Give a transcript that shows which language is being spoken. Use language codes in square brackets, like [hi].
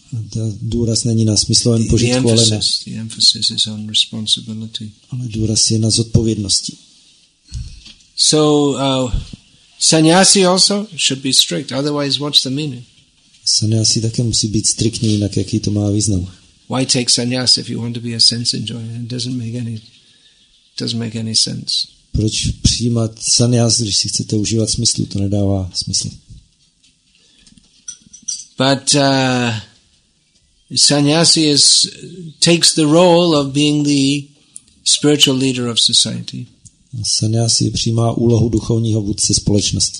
[cs] Ta důraz není na smyslovém požitku, ale na... [en] The emphasis is on responsibility. [cs] Ale důraz je na zodpovědnosti. [en] So, sannyasi also should be strict, otherwise what's the meaning? [cs] Sannyasi také musí být striktní, jinak jaký to má význam? [en] Why take sannyasi if you want to be a sense enjoyer? It doesn't make any sense. [cs] Proč přijímat sannyasi, když si chcete užívat smyslu? To nedává smysl. [en] But sannyasi takes the role of being the spiritual leader of society. [cs] Sannyasi přijímá úlohu duchovního vůdce společnosti.